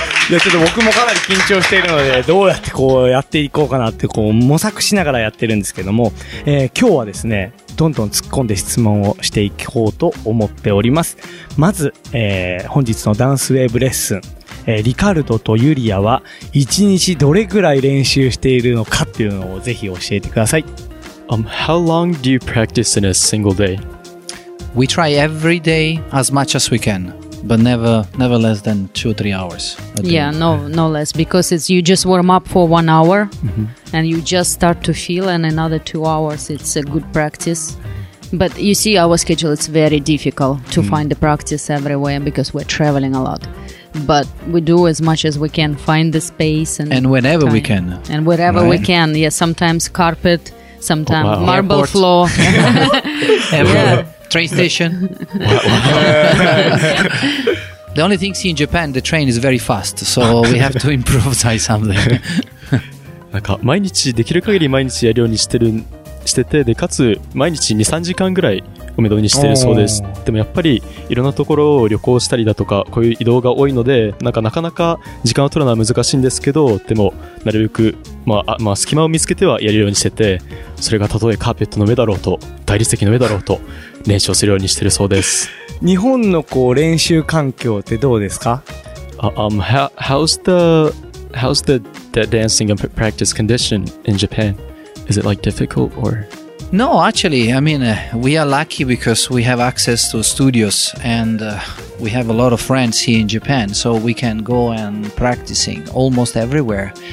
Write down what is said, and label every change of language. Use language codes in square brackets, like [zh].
[ja] いやちょっと僕もかなり緊張しているので、どうやってこうやっていこうかなってこう模索しながらやってるんですけども、今日はですね、どんどん突っ込んで質問をしていこうと思っております。まず、本日のダンスウェーブレッスン、リカルドとユリアは1日どれぐらい練習しているのかっていうのをぜひ教えてください。 [en] How long do you practice in a single day? We try every day as much as we canBut never less than 2-3 hours. Yeah, no less, because it's you just warm up for 1 hour、mm-hmm. and you just start to feel, and another 2 hours it's a good practice. But you see, our schedule is very difficult to、mm-hmm. find the practice everywhere because we're traveling a lot. But we do as much as we can, find the space and whenever、 time. We can. And wherever、right. we can. Yeah, sometimes carpet, sometimes、oh, wow. marble、 Airport. Floor. Everywhere. Train station. The only thing in Japan, the train is very fast, so we have to improvise something. [ja] なんか毎日できる限り毎日やるようにしてる、してて、でかつ毎日 2-3 時間ぐらいお目処にしてるそうです。でもやっぱりいろんなところを旅行したりだとかこういう移動が多いので、なんかなかなか時間を取るのは難しいんですけど、でもなるべく、まあ、隙間を見つけてはやるようにしてて、それがたとえカーペットの上だろうと大理石の上だろうと練習をするようにしてるそうです。日本のこう練習環境ってどうですか？ [en] How's the dancing and practice condition in Japan? Is it like difficult or... No, actually, I mean, we are lucky because we have access to studios and、we have a lot of friends here in Japan, so we can go and practicing almost everywhere.